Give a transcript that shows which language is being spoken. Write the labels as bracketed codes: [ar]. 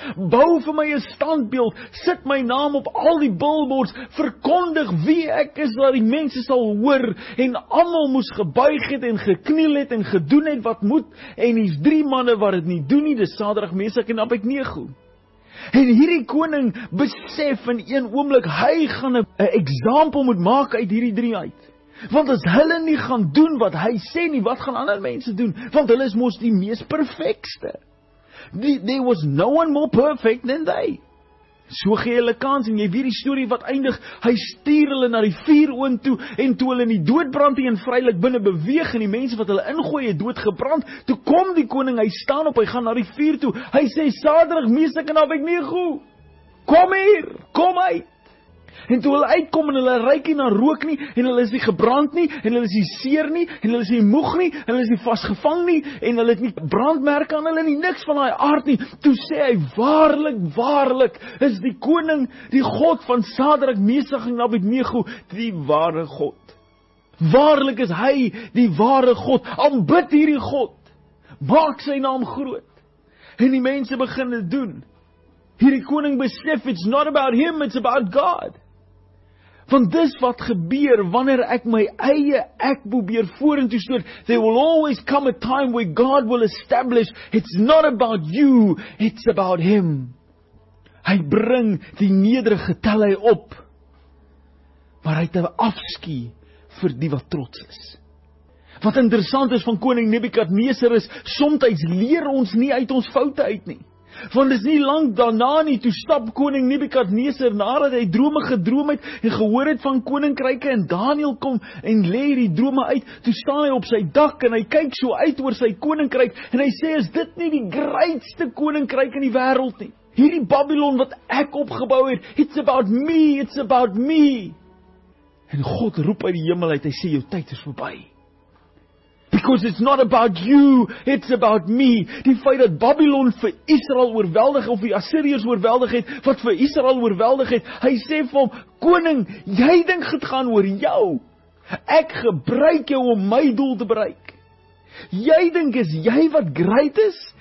[af] bou vir my 'n standbeeld, sit my naam op al die billboards, verkondig wie ek is, dat die mense sal hoor, en almal moes gebuig het, en gekniel het, en gedoen het wat moet, en die 3 manne wat het nie doen nie, dis Sadrag, Mesak en Abednego. En hierdie koning besef in een oomblik, hy gaan 'n eksempel moet maak uit hierdie 3 uit, want as hulle nie gaan doen wat hy sê nie, wat gaan ander mense doen, want hulle is mos die mees perfekste. [en] There was no one more perfect than they. [af] So gee hulle kans, en jy weet die story wat eindig, hy stuur hulle na die vuuroond toe, en toe hulle in die doodbrand heen vrylik binne beweeg, en die mense wat hulle ingooi het doodgebrand, toe kom die koning, hy staan op, hy gaan na die vuur toe, hy sê, Sadrag, Mesak en Abednego, kom hier, kom uit. En toe hulle uitkom en hulle ruik nie na rook nie, en hulle is nie gebrand nie, en hulle is nie seer nie, en hulle is nie moeg nie, en hulle is nie vasgevang nie, en hulle het nie brandmerke aan hulle nie, niks van daai aard nie. Toe sê hy, waarlik, waarlik, is die koning, die God van Sadrak, Mesak en Abednego, die ware God. Waarlik is hy die ware God, aanbid hierdie God, maak sy naam groot. En die mense begin dit doen. Hierdie koning besef, [en] it's not about him, it's about God. [af] Want dis wat gebeur, wanneer ek my eie ek probeer vorentoe stoot, [en] there will always come a time where God will establish, it's not about you, it's about him. [af] Hy bring die nederige, tel hy op, maar hy het 'n afskie vir die wat trots is. Wat interessant is van koning Nebukadneser is, somtyds leer ons nie uit ons foute uit nie. Want is nie lang daarna nie, toe stap koning Nebukadneser, nadat hy drome gedroom het, en gehoor het van koninkryke, en Daniël kom, en lê die drome uit, toe staan hy op sy dak, en hy kyk so uit oor sy koninkryk, en hy sê, is dit nie die grootste koninkryk in die wêreld nie? Hierdie Babylon wat ek opgebou het, [en] it's about me, it's about me. [af] En God roep uit die hemel uit, hy sê, jou tyd is verby. [en] Because it's not about you, it's about me. [af] Die feit dat Babylon vir Israel oorweldig, of die Assiriërs oorweldig het, wat vir Israel oorweldig het, hy sê vir hom, koning, jy dink dit gaan oor jou. Ek gebruik jou om my doel te bereik. Jy dink is jy wat great is?